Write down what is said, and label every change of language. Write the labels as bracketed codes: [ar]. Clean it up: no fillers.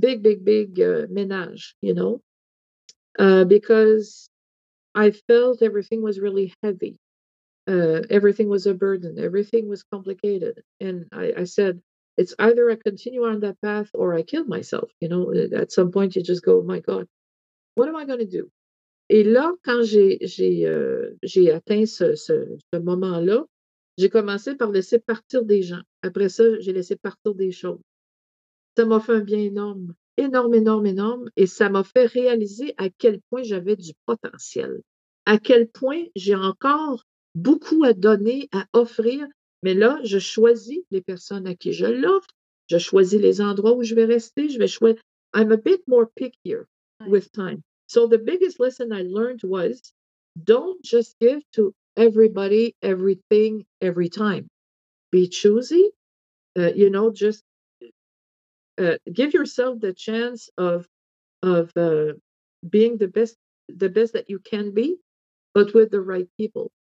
[en] Big ménage, you know, because I felt everything was really heavy. Everything was a burden. Everything was complicated. And I said, it's either I continue on that path or I kill myself. You know, at some point you just go, my God, what am I going to do? [fr] Et là, quand j'ai atteint ce moment-là, j'ai commencé par laisser partir des gens. Après ça, j'ai laissé partir des choses. Ça m'a fait un bien énorme. Et ça m'a fait réaliser à quel point j'avais du potentiel. À quel point j'ai encore beaucoup à donner, à offrir. Mais là, je choisis les personnes à qui je l'offre. Je choisis les endroits où je vais rester. Je vais choisir. [en] I'm a bit more pickier with time. So the biggest lesson I learned was, don't just give to everybody, everything, every time. Be choosy. You know, just give yourself the chance of being the best that you can be, but with the right people.